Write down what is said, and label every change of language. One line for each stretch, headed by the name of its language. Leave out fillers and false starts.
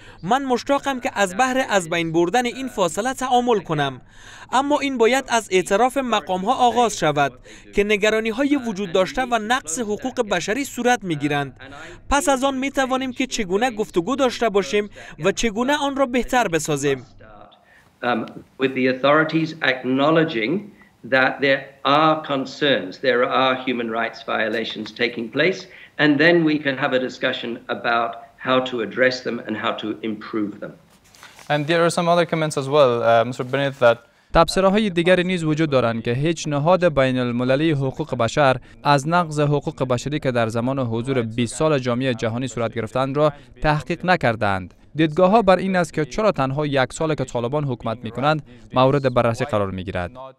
Persian: من مشتاقم که از بهر از بین بردن این فاصله تعامل کنم، اما این باید از اعتراف مقام ها آغاز شود که نگرانی های وجود داشته و نقص حقوق بشری صورت می گیرند. پس از آن می توانیم که چگونه گفتگو داشته باشیم و چگونه آن را بهتر بسازیم.
English: With the authorities acknowledging that there are concerns, there are human rights violations taking place, and then we can have a discussion about how to address them and how to improve them. And there are some other comments as well, Mr. Bennett, that
Persian: تبصره‌های دیگری نیز وجود دارند که هیچ نهاد بین المللی حقوق بشر از نقض حقوق بشری که در زمان حضور 20 سال جامعه جهانی صورت گرفتند را تحقیق نکردند. دیدگاه ها بر این است که چرا تنها یک سال که طالبان حکومت می کنند مورد بررسی قرار می گیرد.